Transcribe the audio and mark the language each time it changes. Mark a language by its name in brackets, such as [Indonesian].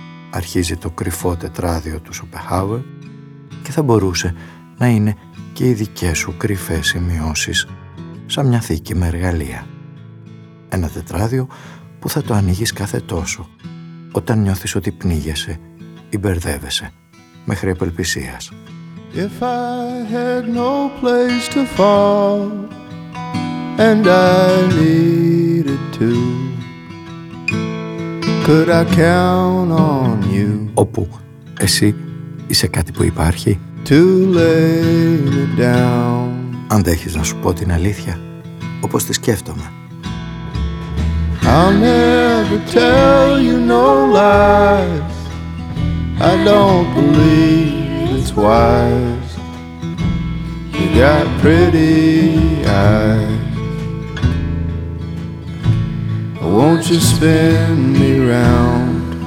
[Greek] Αρχίζει το κρυφό τετράδιο του Σοπενχάουερ και θα μπορούσε να είναι και οι δικές σου κρυφές σημειώσεις σαν μια θήκη με εργαλεία. Ένα τετράδιο που θα το ανοίγεις κάθε τόσο όταν νιώθεις ότι πνίγεσαι ή μπερδεύεσαι. Μέχρι απελπισίας. [English] If I had no place to fall and I needed to, could I count on you? [Greek] Όπου εσύ είσαι κάτι που υπάρχει. [English] To lay me down. [Greek] Αν δέχεις να σου πω την αλήθεια όπως τη σκέφτομαι. [English] I'll never tell you no lies, I don't believe it's wise. You got pretty eyes, won't you spin me round?